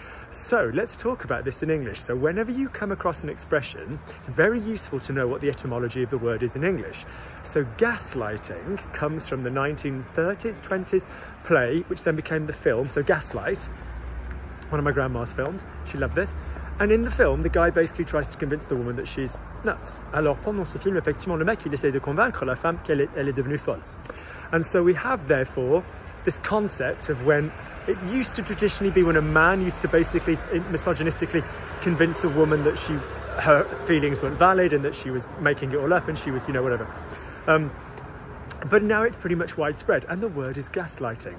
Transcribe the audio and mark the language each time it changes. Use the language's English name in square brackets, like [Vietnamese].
[English] So let's talk about this in English. So whenever you come across an expression, it's very useful to know what the etymology of the word is in English. So gaslighting comes from the 1930s, 20s play, which then became the film. So Gaslight, one of my grandma's films, she loved this. And in the film, the guy basically tries to convince the woman that she's nuts. [French] Alors pendant ce film, effectivement, le mec, il essaie de convaincre la femme qu'elle est, elle est devenue folle. [English] And so we have, therefore, this concept of when it used to traditionally be when a man used to basically misogynistically convince a woman that she, her feelings weren't valid and that she was making it all up and she was, you know, whatever. But now it's pretty much widespread and the word is gaslighting.